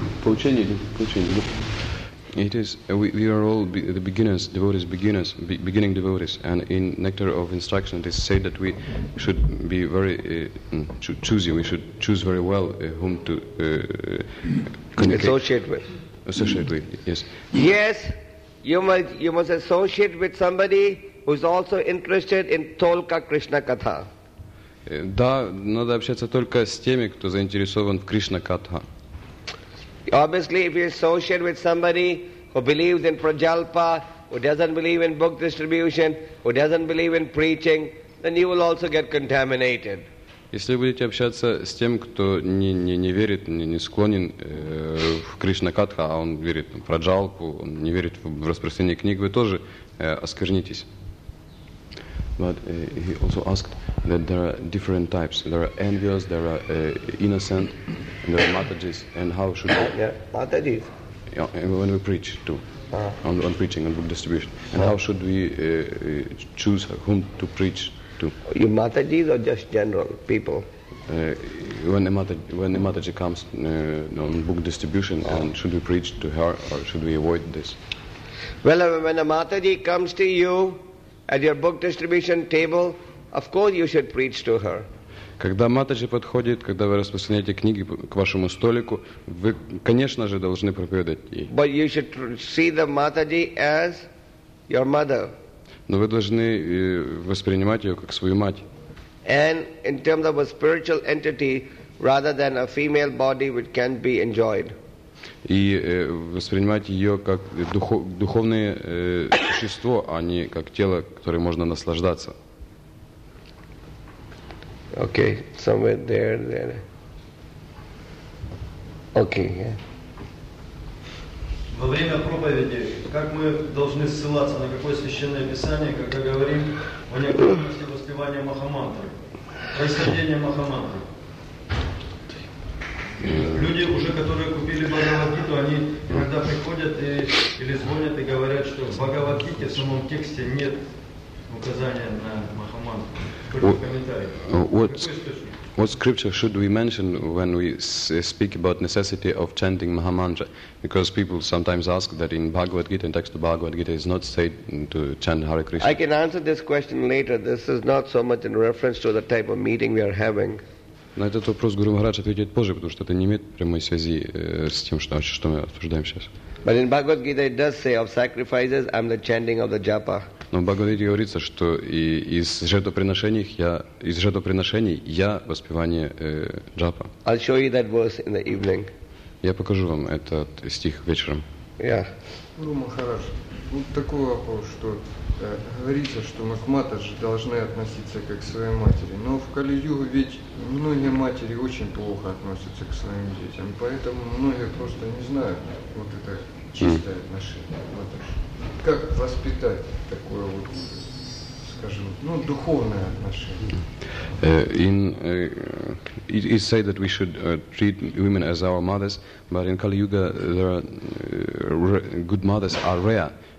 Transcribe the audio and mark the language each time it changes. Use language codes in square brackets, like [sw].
[en] It is, we are all the beginners, devotees, beginning devotees, and in Nectar of Instruction it is said that we should be very choosy, we should choose very well whom to associate with, yes. Yes, you must associate with somebody who is also interested in Tolka Krishna Katha. [ru] Да, надо общаться только с теми, кто заинтересован в Кришна-катха. [en] Obviously, if you associate with somebody who believes in prajalpa, who doesn't believe in book distribution, who doesn't believe in preaching, then you will also get contaminated. [ru] Если будете общаться с тем, кто не верит, не склонен в Кришна-катха, а он верит в праджалпу, он не верит в распространение книг, вы тоже осквернитесь. [en] But he also asked that there are different types. There are envious, there are innocent, and there are matajis. And how should we... Yeah, matajis. Yeah, when we preach, too. On preaching and book distribution. And how should we choose whom to preach to? You matajis or just general people? When a mataji comes on book distribution, and should we preach to her or should we avoid this? Well, when a mataji comes to you, at your book distribution table, of course you should preach to her. [ru] Когда матаджи подходит, когда вы распространяете книги к вашему столику, вы, конечно же, должны проповедовать ей. [en] But you should see the mataji as your mother. [ru] Но вы должны воспринимать ее как свою мать. [en] And in terms of a spiritual entity, rather than a female body which can be enjoyed. [ru] И воспринимать ее как духовное существо, а не как тело, которое можно наслаждаться. [en] Okay, somewhere there. Okay, yeah. [ru] Во время проповеди, как мы должны ссылаться на какое священное писание, когда говорим о необходимости воспевания Махамантры, происхождения Махамантры? Люди уже, которые купили Бхагавад-гиту, они иногда приходят и, или звонят и говорят, что в Бхагавад-гите в самом тексте нет указания на Махамантру. [en] What scripture should we mention when we speak about necessity of chanting Mahamantra? Because people sometimes ask that in Bhagavad Gita, in text of Bhagavad Gita, is not said to chant Hare Krishna. I can answer this question later. This is not so much in reference to the type of meeting we are having. [ru] На этот вопрос Гуру Махарадж ответит позже, потому что это не имеет прямой связи с тем, что мы обсуждаем сейчас. [en] But in Bhagavad Gita, it does say of sacrifices, I'm the chanting of the japa. [ru] Но в Бхагавад-гите говорится, что и из жертвоприношений я воспевание джапа. [en] I'll show you that verse in the evening. [ru] Я покажу вам этот стих вечером. Гуру Махарадж, вот такой вопрос, что говорится, что мы к матерже должны относиться как к своей матери. Но в Кали-югу ведь многие матери очень плохо относятся к своим детям. Поэтому многие просто не знают вот это чистое отношение к матерже. Как воспитать такое вот, скажем, ну, духовное отношение? [en] It is said that we should treat women as our mothers, but in Kali Yuga there are good mothers are rare.